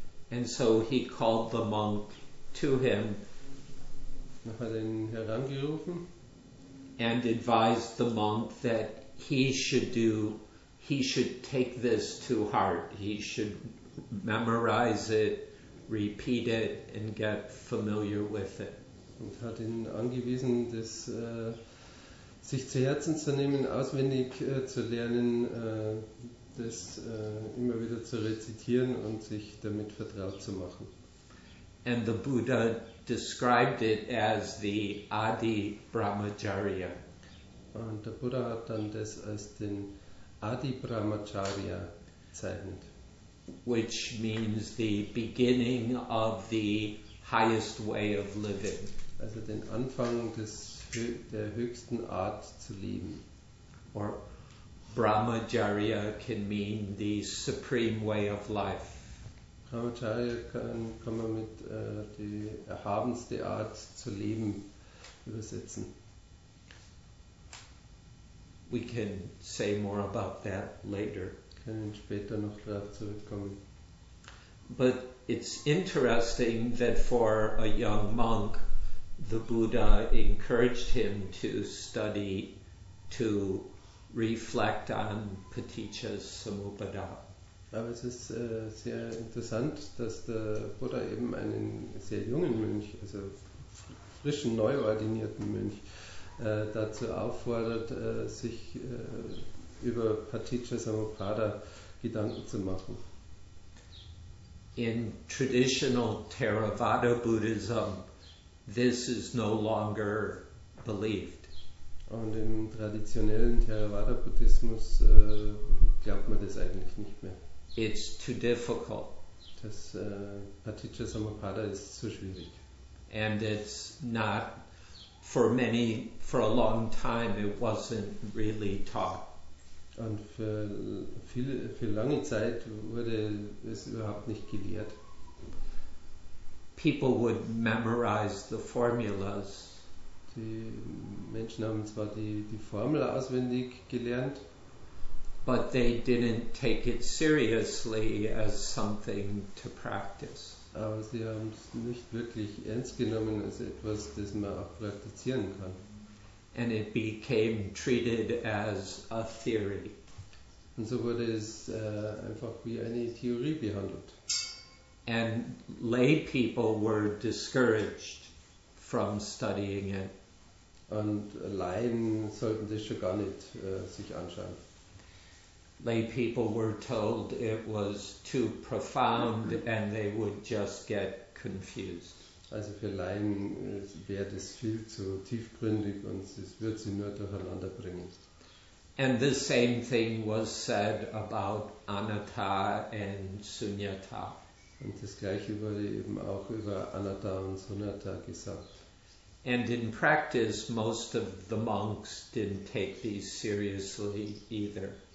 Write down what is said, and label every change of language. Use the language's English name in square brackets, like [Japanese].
[English] And so he called the monk to him. [German] Dann hat er ihn herangerufen. [English] And advised the monk that he should do, he should take this to heart. He should memorize it, repeat it, and get familiar with it. [German] Und hat ihn angewiesen, das sich zu Herzen zu nehmen, auswendig zu lernen, das immer wieder zu rezitieren und sich damit vertraut zu machen. [English] And the Buddha described it as the Adi Brahmacharya. [German] Und der Buddha hat dann das als den Adi Brahmacharya bezeichnet. [English] Which means the beginning of the highest way of living. [German] Also den Anfang des der höchsten Art zu leben. [English] Or Brahmacharya can mean the supreme way of life. [German] Brahmacharya kann man mit die erhabenste Art zu leben übersetzen. [English] We can say more about that later. [German] Können später noch darauf zurückkommen. [English] But it's interesting that for a young monk, the Buddha encouraged him to study, to reflect on Paticca's Samuppada. [German] Aber es ist sehr interessant, dass der Buddha eben einen sehr jungen Mönch, also frischen, neu ordinierten Mönch, dazu auffordert, sich über Paticca Samuppada Gedanken zu machen. [English] In traditional Theravada Buddhism, this is no longer believed. [German] Und im traditionellen Theravada Buddhismus glaubt man das eigentlich nicht mehr. [English] It's too difficult. [German] Das Paticca Samuppada ist zu schwierig. [English] And it's not for many, for a long time it wasn't really taught. [German] Und für lange Zeit wurde es überhaupt nicht gelehrt. [English] People would memorize the formulas. [German] Die Menschen haben zwar die Formel auswendig gelernt, [English] but they didn't take it seriously as something to practice. [German] Aber sie haben es nicht wirklich ernst genommen als etwas, das man auch praktizieren kann. [English] And it became treated as a theory. [German] Und so wurde es einfach wie eine Theorie behandelt. [English] And lay people were discouraged from studying it. [German] Und Laien sollten das schon gar nicht sich anschauen. [English] Lay people were told it was too profound and they would just get confused. [German] Also für Laien wäre das viel zu tiefgründig und es würde sie nur durcheinander bringen. [English] And the same thing was said about Anatta and Sunyata. [German] Und das Gleiche wurde eben auch über Anatta und Sunyata gesagt. [English] And in practice most of the monks didn't take these seriously either.